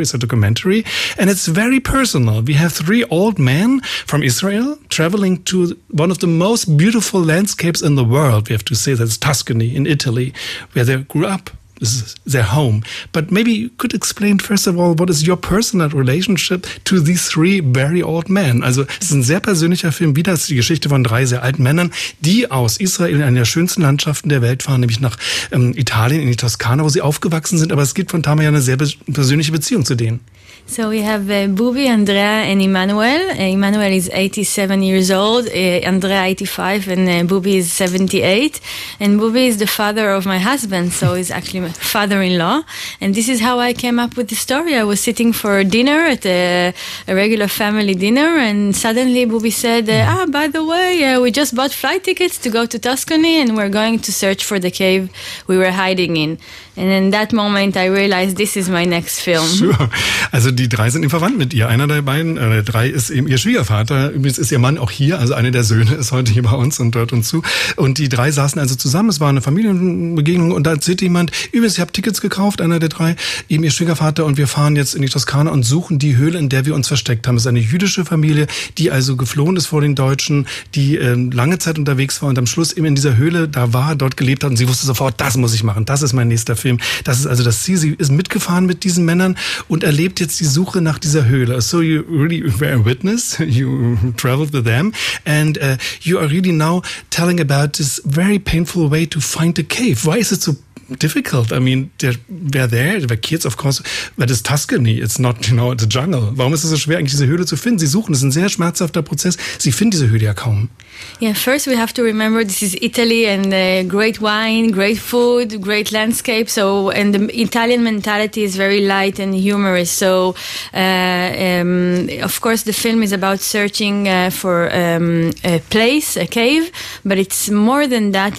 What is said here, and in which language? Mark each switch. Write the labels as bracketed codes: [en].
[en] It's a documentary and it's very personal. We have three old men from Israel traveling to one of the most beautiful landscapes in the world. We have to say that's Tuscany in Italy, where they grew up. This is their home. But maybe you could explain, first of all, what is your personal relationship to these three very old men? [de] Also, es ist ein sehr persönlicher Film, wieder ist die Geschichte von drei sehr alten Männern, die aus Israel in einer der schönsten Landschaften der Welt fahren, nämlich nach Italien, in die Toskana, wo sie aufgewachsen sind. Aber es gibt von Tamar ja eine sehr persönliche Beziehung zu denen. [en] So we have Bubi, Andrea and Emmanuel. Emmanuel is 87 years old, Andrea 85 and Bubi is 78. And Bubi is the father of my husband, so he's actually my father-in-law. And this is how I came up with the story. I was sitting for dinner at a regular family dinner and suddenly Bubi said, by the way, we just bought flight tickets to go to Tuscany and we're going to search for the cave we were hiding in. And in that moment I realized this is my next film. Sure. [de] Also die drei sind eben verwandt mit ihr. Einer der beiden, drei ist eben ihr Schwiegervater. Übrigens ist ihr Mann auch hier, also einer der Söhne ist heute hier bei uns und hört uns zu. Und die drei saßen also zusammen, es war eine Familienbegegnung und da erzählt jemand, übrigens, ich habe Tickets gekauft, einer der drei, eben ihr Schwiegervater und wir fahren jetzt in die Toskana und suchen die Höhle, in der wir uns versteckt haben. Es ist eine jüdische Familie, die also geflohen ist vor den Deutschen, die lange Zeit unterwegs war und am Schluss eben in dieser Höhle da war, dort gelebt hat und sie wusste sofort, das muss ich machen, das ist mein nächster Film. Das ist also das Ziel. Sie ist mitgefahren mit diesen Männern und erlebt jetzt die Suche nach dieser Höhle. [en] So you really were a witness. You traveled with them. And you are really now telling about this very painful way to find a cave. Why is it so difficult. I mean, they're there, the kids, of course, but it's Tuscany, it's not, you know, it's a jungle. [de] Warum ist es so schwer, eigentlich diese Höhle zu finden? Sie suchen, es ist ein sehr schmerzhafter Prozess. Sie finden diese Höhle ja kaum. [en] Yeah, first we have to remember this is Italy and great wine, great food, great landscape. So, and the Italian mentality is very light and humorous. So, of course, the film is about searching for a place, a cave, but it's more than that.